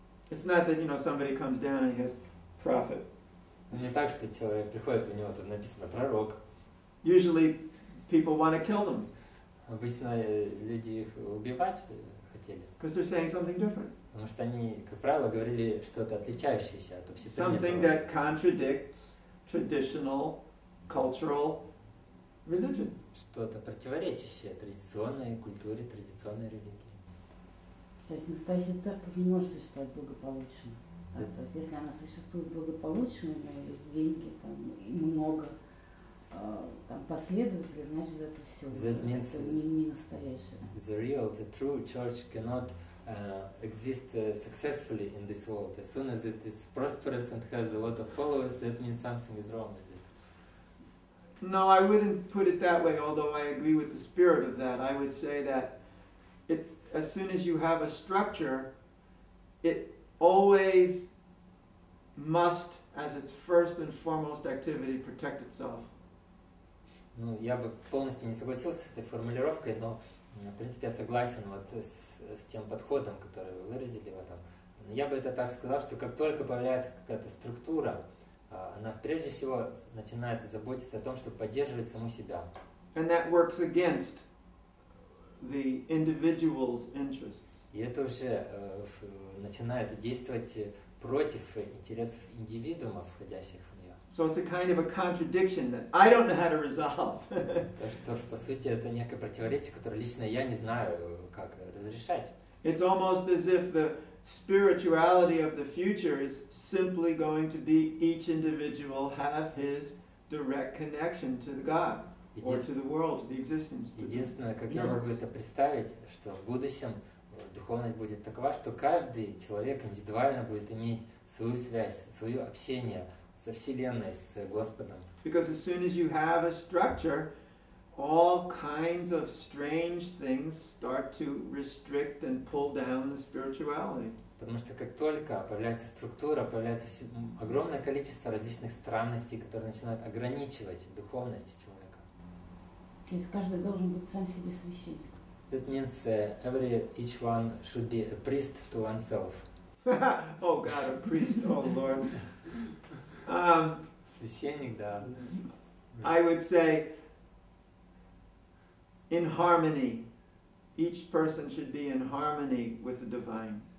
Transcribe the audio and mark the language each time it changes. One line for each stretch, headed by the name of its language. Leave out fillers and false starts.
English: It's not that, you know, somebody comes down and goes, prophet.
Russian: Не так, что человек приходит, у него тут написано пророк.
English: Usually people want to kill them.
Russian: Обычно люди их убивать хотели.
English: Because they're saying something different.
Russian: Потому что они, как правило, говорили что-то отличающееся от общепринятого.
English: Something that contradicts traditional cultural religion.
Russian: Что-то противоречащее традиционной культуре, традиционной религии. То есть настоящая церковь не может существовать благополучно. Да, то есть если она существует благополучно, у нее есть деньги там, и много там, последователей, значит это все.
English: That means
Russian: это не настоящее.
English: The real, the true church cannot exist successfully in this world. As soon as it is prosperous and has a lot of followers, that means something is wrong, is it? No, I wouldn't put it that way, although I agree with the spirit of that. I would say that it's as soon as you have a structure, it always must, as its first and foremost activity, protect itself.
Russian: Ну, я бы полностью не согласился с этой формулировкой, но, в принципе, я согласен вот с тем подходом, который вы выразили в этом. Я бы это так сказал, что как только появляется какая-то структура, она прежде всего начинает заботиться о том, чтобы поддерживать саму себя.
English: And that works against the individual's interests.
Russian: И это уже начинает действовать против интересов индивидуумов, входящих в нее.
English: So it's a kind of a contradiction that I don't know how to resolve.
Russian: Так что, по сути, это некое противоречие, которое лично я не знаю, как разрешать.
English: It's almost as if the spirituality of the future is simply going to be each individual have his direct connection to the God.
Russian: Единственное, как я могу это представить, что в будущем духовность будет такова, что каждый человек индивидуально будет иметь свою связь, свое общение со Вселенной, с Господом.
English: Because as soon as you have a structure, all kinds of strange things start to restrict and pull down the spirituality.
Russian: Потому что как только появляется структура, появляется огромное количество различных странностей, которые начинают ограничивать духовность человека. То есть каждый должен быть сам себе священником.
English: That means each one should be a priest to oneself. Oh God, a priest, oh Lord.
Russian: Священник, да.
English: I would say, in harmony, each person should be in harmony with the divine.